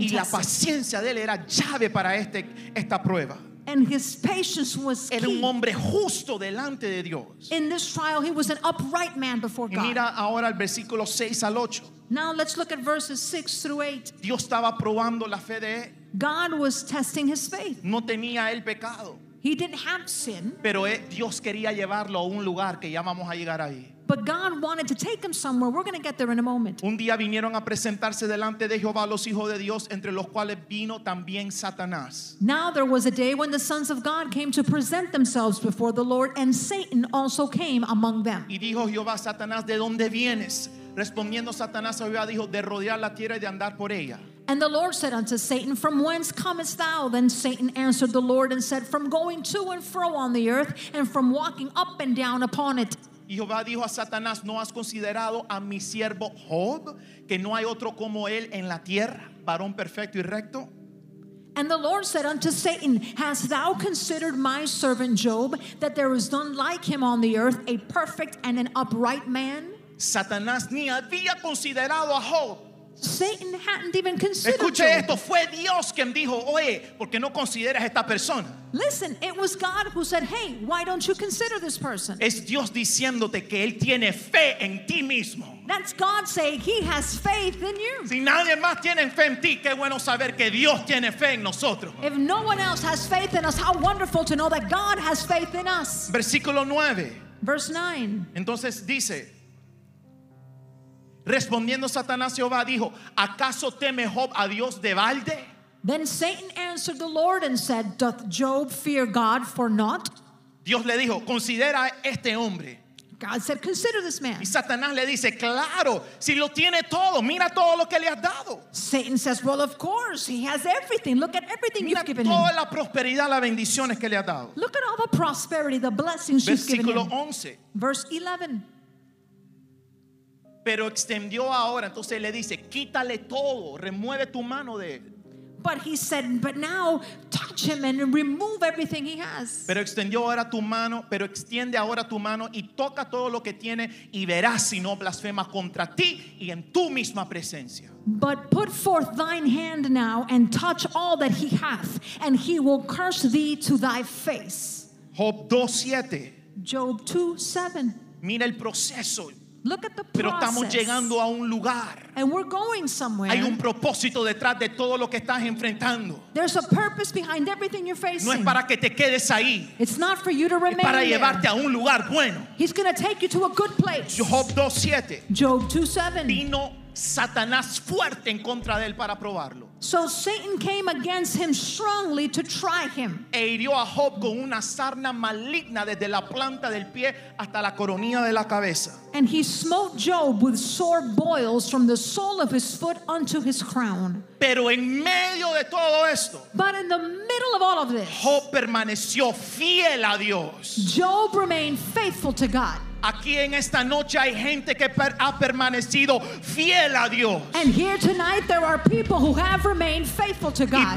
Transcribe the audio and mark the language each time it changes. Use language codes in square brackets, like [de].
[es] y [en] tested. [es] La paciencia de él era llave para esta prueba. [en] And his patience was key. [es] Era un hombre justo delante de Dios. [en] In this trial, he was an upright man before God. [es] Y mira ahora el versículo 6 al 8. [en] Now let's look at verses 6 through 8. [es] Dios estaba probando la fe de él. [en] God was testing his faith. [es] No tenía él pecado. [en] He didn't have sin. [es] Pero Dios quería llevarlo a un lugar que ya vamos a llegar ahí. [en] But God wanted to take him somewhere. We're going to get there in a moment. [es] Un día vinieron a presentarse delante de Jehová los hijos de Dios, entre los cuales vino también Satanás. [en] Now there was a day when the sons of God came to present themselves before the Lord, and Satan also came among them. [es] Y dijo Jehová a Satanás, ¿de dónde vienes? Respondiendo Satanás a Jehová dijo, de rodear la tierra y de andar por ella. [en] And the Lord said unto Satan, from whence comest thou? Then Satan answered the Lord and said, from going to and fro on the earth, and from walking up and down upon it. [es] Y Jehová dijo a Satanás, ¿no has considerado a mi siervo Job, que no hay otro como él en la tierra, varón perfecto y recto? [en] And the Lord said unto Satan, hast thou considered my servant Job, that there is none like him on the earth, a perfect and an upright man? [es] Satanás ni había considerado a Job. [en] Satan hadn't even considered. [es] Escuche esto, fue Dios quien dijo, oye, ¿por qué no consideras esta persona? [en] Listen, it was God who said, hey, why don't you consider this person? [es] Es Dios diciéndote que él tiene fe en ti mismo. [en] That's God saying he has faith in you. [es] Si nadie más tiene fe en ti, qué bueno saber que Dios tiene fe en nosotros. [en] If no one else has faith in us, how wonderful to know that God has faith in us. [es] Versículo 9. [en] Verse 9. [es] Entonces dice, respondiendo Satanás Jehová dijo, ¿acaso teme Job a Dios de balde? [en] Then Satan answered the Lord and said, doth Job fear God for naught? [es] Dios le dijo, considera este hombre. [en] God said, consider this man. [es] Y Satanás le dice, claro, si lo tiene todo, mira todo lo que le has dado. [en] Satan says, well, of course, he has everything. Look at everything [es] mira [en] you've given him. [es] Mira toda la prosperidad, las bendiciones que le has dado. [en] Look at all the prosperity, the blessings [es] versículo [en] you've given [es] 11. [en] Him. [es] Versículo 11. [en] Verse 11. [es] Pero extendió ahora, entonces le dice, quítale todo, remueve tu mano de él. [en] But he said, but now touch him and remove everything he has. [es] Pero extendió ahora tu mano, pero extiende ahora tu mano y toca todo lo que tiene y verás si no blasfemas contra ti y en tu misma presencia. [en] But put forth thine hand now and touch all that he hath, and he will curse thee to thy face. [es] Job 2:7. [en] Job 2:7. [es] Mira el proceso. [en] Look at the process. [es] Pero estamos llegando a un lugar. [en] And we're going somewhere. [es] Hay un propósito detrás de todo lo que estás enfrentando. [en] There's a purpose behind everything you're facing. [es] No es para que te quedes ahí. [en] It's not for you to remain. [es] Es para llevarte [en] there. [es] A un lugar bueno. [en] He's going to take you to a good place. [es] Job 2:7. [en] Job 2:7. [es] Vino Satanás fuerte en contra de él para probarlo. [en] So Satan came against him strongly to try him. [es] E hirió a Job con una sarna maligna desde la planta del pie hasta la coronilla de la cabeza. [en] And he smote Job with sore boils from the sole of his foot unto his crown. [es] Pero en medio de todo esto, [en] but in the middle of all of this, [es] Job permaneció fiel a Dios. [en] Job remained faithful to God. [es] Aquí en esta noche hay gente que ha permanecido fiel a Dios. [en] And here tonight there are people who have remained faithful to God.